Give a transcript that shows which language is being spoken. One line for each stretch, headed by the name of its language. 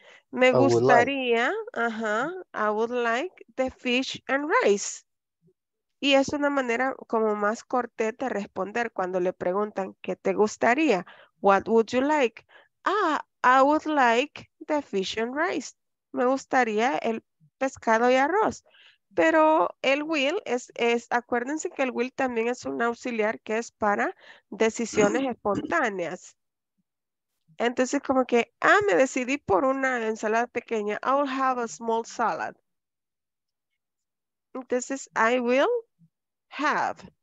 Spanish: Me gustaría, ajá,
English: I would like the fish and rice.
Spanish: Y es una manera como más cortés de responder cuando le preguntan, ¿qué te gustaría?
English: What would you like? Ah, I would like the fish and rice.
Spanish: Me gustaría el pescado y arroz. Pero el will es, acuérdense que el will también es un auxiliar que es para decisiones espontáneas. Entonces, como que, ah, me decidí por una ensalada pequeña.
English: I'll have a small salad.
Spanish: Entonces,
English: I will have.